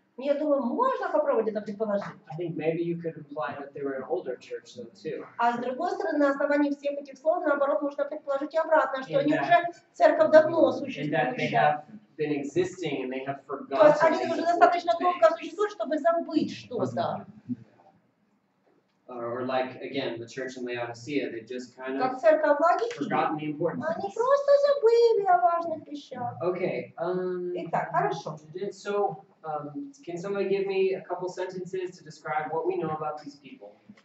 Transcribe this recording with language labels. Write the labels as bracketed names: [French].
[Russian] Я думаю, можно попробовать это предположить. [English] I think maybe you could imply that they were an older church though too. [Russian] А с другой стороны, на основании всех этих слов, наоборот, можно предположить и обратно, что они уже церковь давно существующая. То есть они уже достаточно долго существуют, чтобы забыть что-то. [English] Or like again, the church in Laodicea, they just kind of forgotten the importance. [Russian] Они просто забыли о важных вещах. [English] Okay. [Russian] Итак, хорошо. [English] So, can somebody give me a couple sentences to describe what we know about these people?